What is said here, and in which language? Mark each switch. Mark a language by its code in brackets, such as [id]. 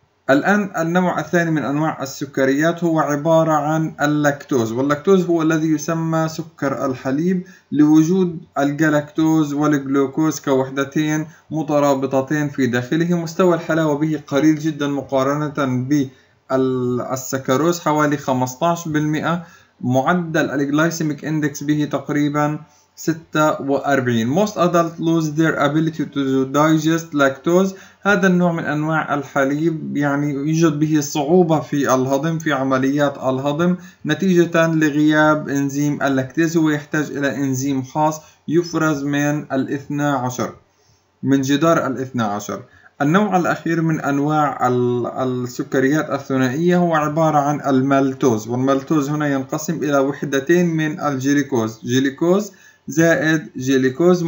[ar] الآن النوع الثاني من أنواع السكريات هو عبارة عن اللاكتوز، واللاكتوز هو الذي يسمى سكر الحليب لوجود الجالاكتوز والجلوكوز كوحدتين مترابطتين في داخله. مستوى الحلاوة به قليل جدا مقارنة بالسكروز، حوالي 15%. معدل الجلايسيميك اندكس به تقريبا 46. [en] Most adults lose their ability to digest lactose. [ar] هذا النوع من أنواع الحليب يعني يوجد به صعوبة في الهضم، في عمليات الهضم، نتيجة لغياب إنزيم اللاكتيز، ويحتاج إلى إنزيم خاص يفرز من الاثنى عشر، من جدار الاثنى عشر. النوع الأخير من أنواع السكريات الثنائية هو عبارة عن المالتوز، والمالتوز هنا ينقسم إلى وحدتين من الجليكوز، جليكوز زائد جليكوز.